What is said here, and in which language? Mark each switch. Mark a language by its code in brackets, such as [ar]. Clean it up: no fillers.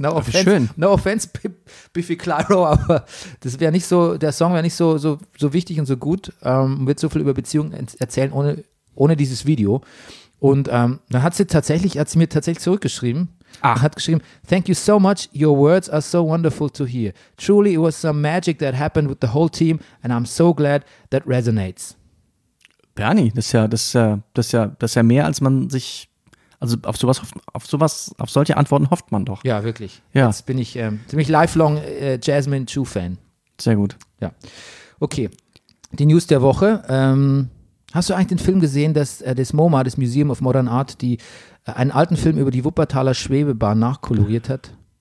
[en] No offense, [de] schön. [en] No offense, [de] Biffy Clyro, aber das wäre nicht so, der Song wäre nicht so wichtig und so gut. Wird so viel über Beziehungen erzählen ohne dieses Video. Und dann hat sie mir tatsächlich zurückgeschrieben. Ach. Hat geschrieben, [en] thank you so much, your words are so wonderful to hear. Truly it was some magic that happened with the whole team and I'm so glad that resonates. [de] Bernie, das ist ja mehr als man sich, also auf solche Antworten hofft man doch. Ja, wirklich. Ja. Jetzt bin ich ziemlich lifelong Jasmine Chu Fan. Sehr gut. Ja. Okay, die News der Woche. Hast du eigentlich den Film gesehen, dass das MoMA, das Museum of Modern Art, einen alten Film über die Wuppertaler Schwebebahn nachkoloriert hat?